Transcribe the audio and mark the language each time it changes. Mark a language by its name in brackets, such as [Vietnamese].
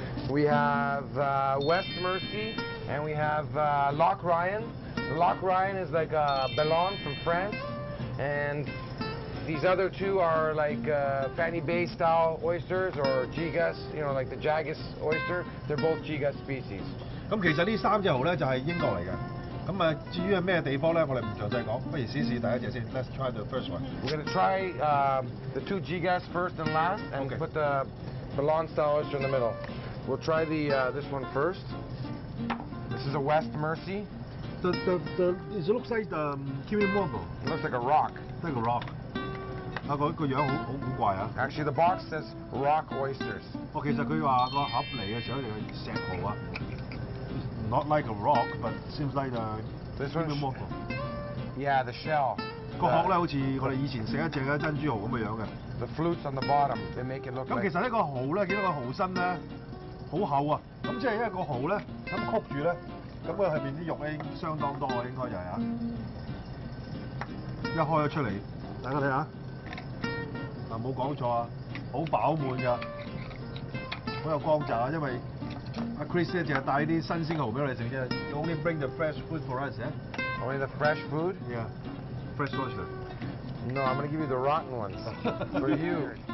[English] We have West Mercy, and we have Loch Ryan. Loch Ryan is like a Ballon from France, and these other two are like Fanny Bay style oysters or Gigas. You know, like the Jagus oyster. They're both Gigas species. [Cantonese] 咁其實呢三隻蠔咧就係英國嚟嘅。咁啊，至於係咩地方咧，我哋唔詳細講，不如試試第一隻先。 [English] Let's try the first one. We're gonna try the two gigas first and last, and okay. Put the Ballon style oyster in the middle. We'll try the this one first. This is a West Mercy. The it looks like the Kiwi Mongo. It looks like a rock. Like a rock. [Cantonese] 啊，個樣好古怪啊。 [English] Actually, the box says rock oysters. [Cantonese] 哦，其實佢話個盒嚟嘅時候有石蠔啊。 [English] Not like a rock, but seems like a this one. Yeah, the shell. [Cantonese] 個殼咧，好似我哋以前食一隻嘅珍珠蠔咁嘅樣嘅。 [English] The flutes on the bottom, they make it look. [Cantonese] 咁其實呢個蠔咧，見到個蠔身咧，好厚啊。咁即係因為個蠔咧，咁曲住咧，咁佢入邊啲肉咧相當多，應該就係啊。一開咗出嚟，大家睇下，嗱冇講錯啊，好飽滿嘅，好有光澤啊，因為。 Chris 咧淨係帶啲新鮮嘅蠔俾我哋食啫。 [English] You only bring the fresh food for us, eh? Only the fresh food? Yeah. Fresh oyster. No, I'm gonna give you the rotten ones for you.